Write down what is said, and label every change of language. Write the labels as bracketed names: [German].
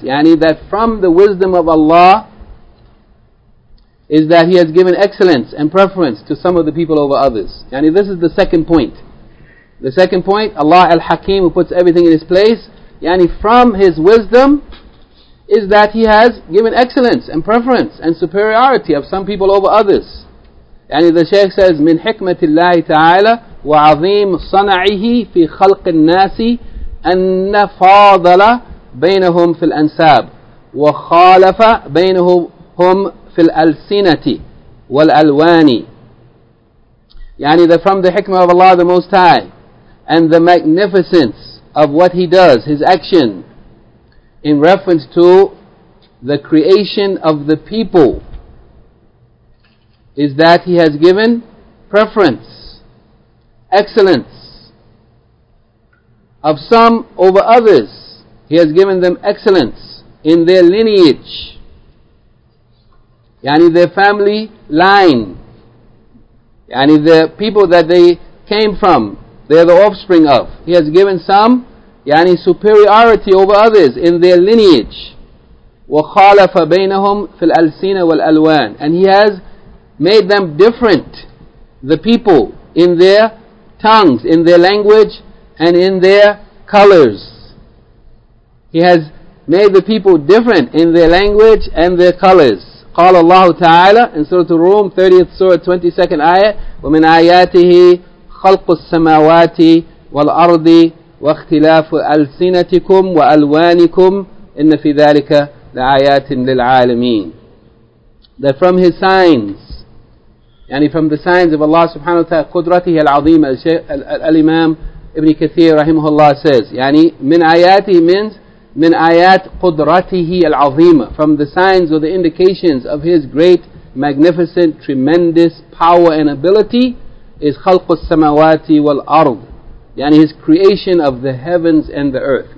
[English] Yani that from the wisdom of Allah is that He has given excellence and preference to some of the people over others. Yani this is the second point. The second point, Allah al-Hakim, who puts everything in His place, yani from His wisdom is that He has given excellence and preference and superiority of some people over others. Yani the Shaykh says, [Arabic] min hikmati Allah ta'ala وعظيم صنعه في خلق الناس أن فاضل بينهم في الأنساب وخالف بينهم في الألسنة والألوان. [English] يعني that from the hikmah of Allah the Most High and the magnificence of what He does, His action in reference to the creation of the people, is that He has given preference, excellence of some over others. He has given them excellence in their lineage, yani their family line, yani the people that they came from, they are the offspring of. He has given some, yani, superiority over others in their lineage. [Arabic] وَخَالَفَ بَيْنَهُمْ فِي الْأَلْسِينَ وَالْأَلْوَانِ. [English] And He has made them different, the people, in their tongues, in their language, and in their colors. He has made the people different in their language and their colors. [Arabic] قال الله تعالى [English] in Surah Al-Rum, 30th Surah, 22nd Ayah, [Arabic] وَمِنْ آيَاتِهِ خَلْقُ السَّمَاوَاتِ وَالْأَرْضِ وَاخْتِلَافُ أَلْسِنَتِكُمْ وَأَلْوَانِكُمْ إِنَّ فِي ذَلِكَ لَآيَاتٍ لِلْعَالَمِينَ. [English] That from His signs, yani from the signs of Allah subhanahu wa ta'ala, [Arabic] قُدْرَتِهِ الْعَظِيمَ, [English] Al-Imam Ibn Kathir rahimahullah says, yani min ayati means min ayat قُدْرَتِهِ الْعَظِيمَ, from the signs or the indications of His great, magnificent, tremendous power and ability, is [Arabic] خَلْقُ السَّمَوَاتِ وَالْأَرْضِ, [English] yani His creation of the heavens and the earth.